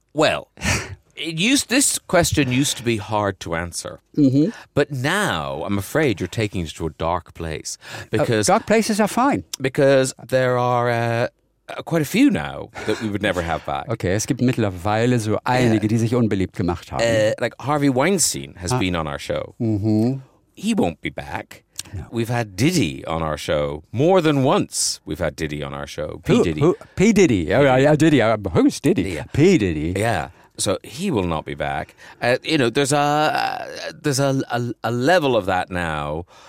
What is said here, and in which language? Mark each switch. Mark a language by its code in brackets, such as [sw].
[en] Well, this question used to be hard to answer. Mm-hmm. But now, I'm afraid you're taking it to a dark place. Because dark places are fine. Because there are quite a few now that we would never have back. [de] Okay, es gibt mittlerweile so einige, die sich unbeliebt gemacht haben. [en] Like Harvey Weinstein has been on our show. Mm-hmm. He won't be back. No. We've had Diddy on our show. More than once we've had Diddy on our show. P. Diddy. Diddy. Who's Diddy? Yeah. P. Diddy. Yeah. So he will not be back. You know, there's a level of that now.